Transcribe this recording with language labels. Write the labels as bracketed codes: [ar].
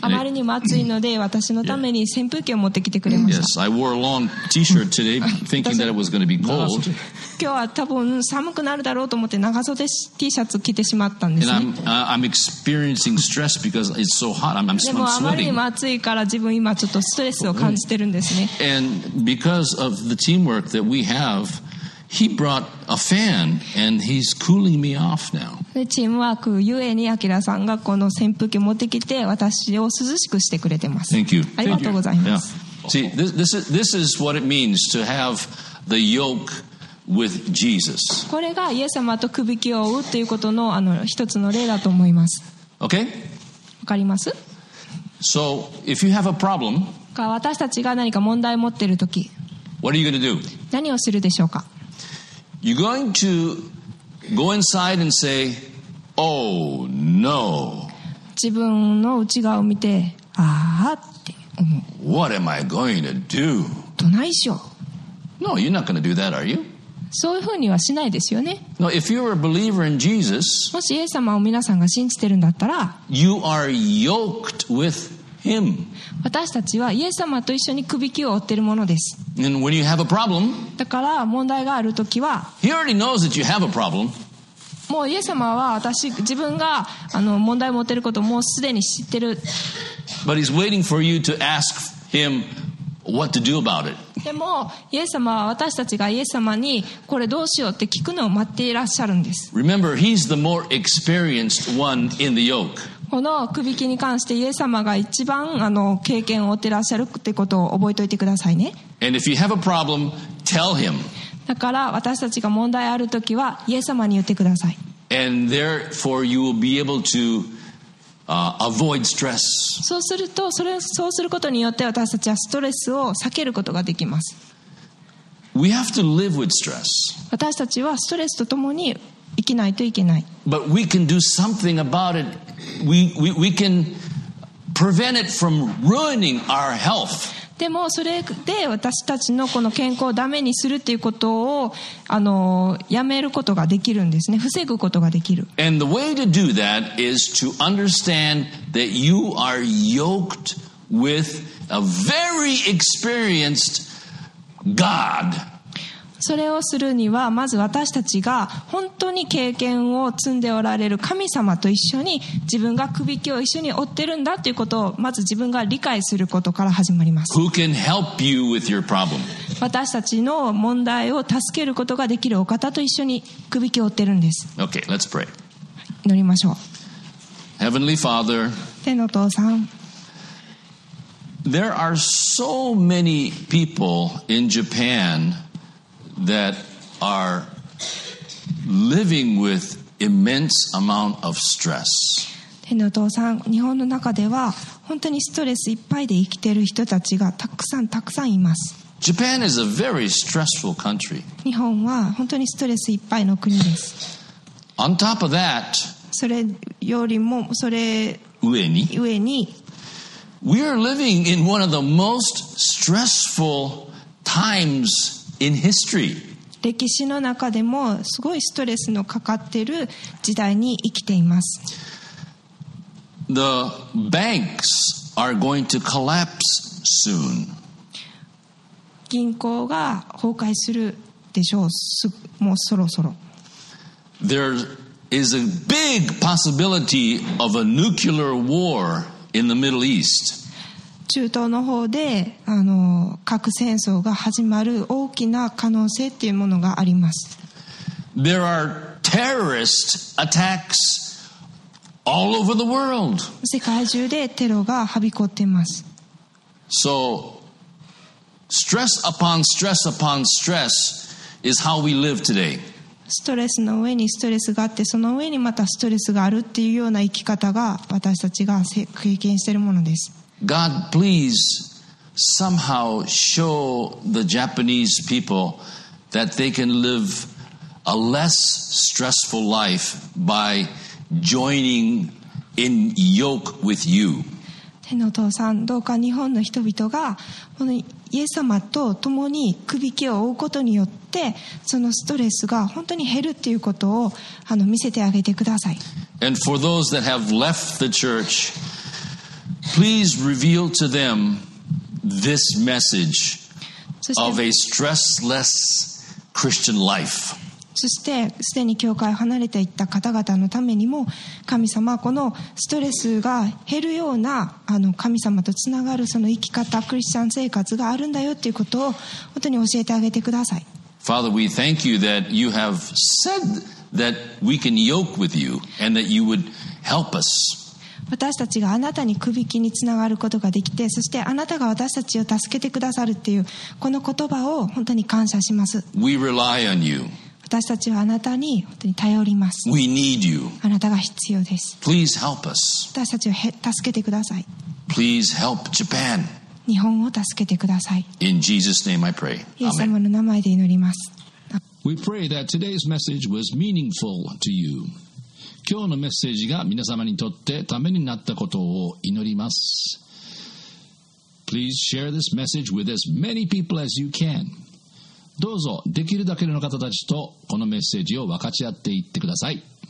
[ja] あまりにも暑いので、私のために扇風機を持ってきてくれました。 [en] Yes, I wore a long T-shirt today, thinking that it was going to be cold. [ja] 今日は多分寒くなるだろうと思って長袖 T シャツ着てしまったんですね。 [en] I'm experiencing stress because it's so hot. I'm sweating. [ja] でもあまりにも暑いから自分今ちょっとストレスを感じてるんですね。 [en] And because of the teamwork that we have, he brought a fan and he's cooling me off now. [ja] チームワークゆえにアキラさんがこの扇風機持ってきて私を涼しくしてくれてます。 [en] Thank you. [ja] ありがとうございます。 [en] See, this is what it means to have the yoke. With Jesus. [ja] これがイエス様と首輝きを追うということの、 あの一つの例だと思います。 [en] Okay? [ja] わかります? [en] So, if you have a problem, [ja] 私たちが何か問題を持っているとき、 [en] What are you going to do? [ja] 何をするでしょうか? [en] You're going to go inside and say, Oh, no. [ja] 自分の内側を見て、ああって思う。 [en] What am I going to do? [ja] どないしよう。 [en] No, you're not going to do that, are you? [ja] そういうふうにはしないですよね。 [en] No, if you are a believer in Jesus, [ja] もしイエス様を皆さんが信じてるんだったら、 [en] You are yoked with him. [ja] 私たちはイエス様と一緒に首輝きを負ってるものです。 [en] And when you have a problem, [ja] だから問題があるときは、 [en] He already knows that you have a problem. [ja] もうイエス様は私自分があの問題を持っていることをもうすでに知ってる。 [en] But he's waiting for you to ask him what to do about it. [ja] でもイエス様は私たちがイエス様にこれどうしようって聞くのを待っていらっしゃるんです。 [en] Remember, he's the more experienced one in the yoke. [ja] この首輝きに関してイエス様が一番あの経験を負ってらっしゃるってことを覚えておいてくださいね。 [en] And if you have a problem, tell him. [ja] だから私たちが問題あるときはイエス様に言ってください。 [en] And therefore you will be able to avoid stress. [ja] そうするとそれ、そうすることによって私たちはストレスを避けることができます。 [en] We have to live with stress. [ja] 私たちはストレスとともに生きないといけない。 [en] But we can do something about it. We can prevent it from ruining our health. [ja] でもそれで私たちのこの健康をダメにするっていうことをあのやめることができるんですね。防ぐことができる。 [en] And the way to do that is to understand that you are yoked with a very experienced God. [ja] それをするにはまず私たちが本当に経験を積んでおられる神様と一緒に自分が首輝きを一緒に負ってるんだということをまず自分が理解することから始まります。 [en] Who can help you with your problem? [ja] 私たちの問題を助けることができるお方と一緒に首輝きを負ってるんです。 [en] Okay, let's pray. [ja] 祈りましょう。 [en] Heavenly Father, [ja] 天のお父さん、 [en] There are so many people in JapanThat are living with immense amount of stress. [ja] 天のお父さん、日本の中では本当にストレスいっぱいで生きている人たちがたくさんたくさんいます。 [en] Japan is a very stressful country. [ja] 日本は本当にストレスいっぱいの国です。 [en] On top of that, [ja] それよりもそれ上に、 [en] We are living in one of the most stressful times. In history. [ja] 歴史の中でもすごいストレスのかかっている時代に生きています。 [en] The banks are going to collapse soon. [ja] 銀行が崩壊するでしょう。もうそろそろ。 [en] There is a big possibility of a nuclear war in the Middle East. [ja] 中東の方で核戦争が始まる大きな可能性っていうものがあります。 [en] There are terrorist attacks all over the world. [ja] 世界中でテロがはびこっています。 [en] So stress upon stress upon stress is how we live today. [ja] ストレスの上にストレスがあって、その上にまたストレスがあるっていうような生き方が私たちが経験しているものです。 [en] God, please somehow show the Japanese people that they can live a less stressful life by joining in yoke with you. [ja] 天のお父さん、どうか日本の人々がこのイエス様と共に首輝きを負うことによってそのストレスが本当に減るっていうことを見せてあげてください。 [en] And for those that have left the church,Please reveal to them this message of a stressless Christian life. [ja] そしてすでに教会を離れていった方々のためにも、神様はこのストレスが減るような神様とつながるその生き方、クリスチャン生活があるんだよということを本当に教えてあげてください。 [en] Father, we thank you that you have said that we can yoke with you and that you would help us. [ja] 私たちがあなたに首輝きにつながることができて、そしてあなたが私たちを助けてくださるっていうこの言葉を本当に感謝します。 [en] We rely on you. [ja] 私たちはあなたに本当に頼ります。 [en] We need you. [ja] あなたが必要です。 [en] Please help us. [ja] 私たちを助けてください。 [en] Please help Japan. [ja] 日本を助けてください。 [en] In Jesus' name I pray. [ja] イエス様の名前で祈ります。 [en] We pray that today's message was meaningful to you. [ja] 今日のメッセージが皆様にとってためになったことを祈ります。 [en] Please share this message with as many people as you can. [ja] どうぞできるだけの方たちとこのメッセージを分かち合っていってください。